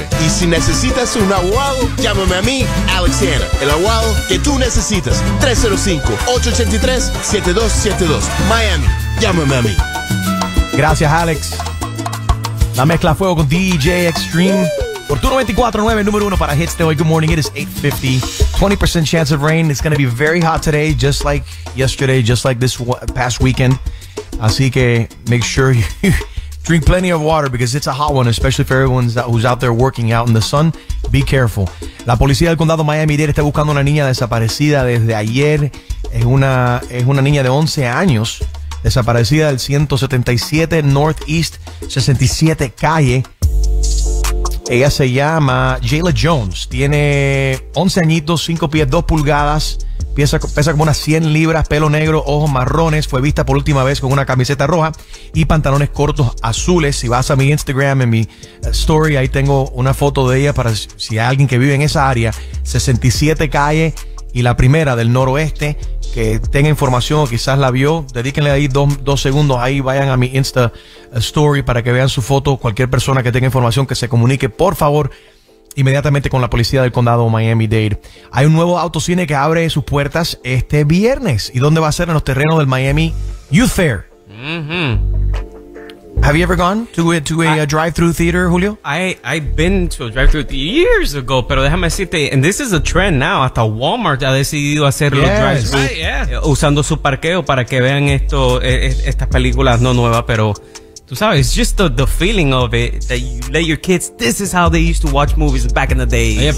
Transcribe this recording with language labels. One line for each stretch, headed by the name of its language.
Spanish: Y si necesitas un abogado, llámame a mí, Alex Hanna. El abogado que tú necesitas. 305-883-7272. Miami, llámame a mí. Gracias, Alex. La mezcla fuego con DJ Extreme. Por tu 94.9, número uno para hits de hoy.
English: Good morning, it is 8:50. 20% chance of rain. It's going to be very hot today, just like yesterday, just like this past weekend. Así que make sure you drink plenty of water because it's a hot one, especially for everyone who's out there working out in the sun. Be careful.
Spanish: La policía del condado Miami-Dade está buscando una niña desaparecida desde ayer. Es una niña de 11 años desaparecida del 177 Northeast 67 Calle. Ella se llama Jayla Jones. Tiene 11 añitos, 5 pies, 2 pulgadas. Pesa como unas 100 libras, pelo negro, ojos marrones. Fue vista por última vez con una camiseta roja y pantalones cortos azules. Si vas a mi Instagram, en mi story, ahí tengo una foto de ella para si hay alguien que vive en esa área. 67 Calle y la primera del noroeste, que tenga información o quizás la vio, dedíquenle ahí dos segundos. Ahí vayan a mi Insta story para que vean su foto. Cualquier persona que tenga información, que se comunique, por favor, inmediatamente con la policía del condado Miami-Dade. Hay un nuevo autocine que abre sus puertas este viernes. ¿Y dónde va a ser? En los terrenos del Miami Youth Fair. Mm-hmm.
English: Have you ever gone to a drive-through theater, Julio? I've been to a drive-through years ago,
Spanish: pero déjame decirte,
English: and this is a trend now,
Spanish: hasta Walmart ha decidido hacer los drive-through,
English: right, yeah,
Spanish: usando su parqueo para que vean estas películas no nuevas, pero tú sabes,
English: it's just the feeling of it, that you let your kids, this is how they used to watch movies back in the days.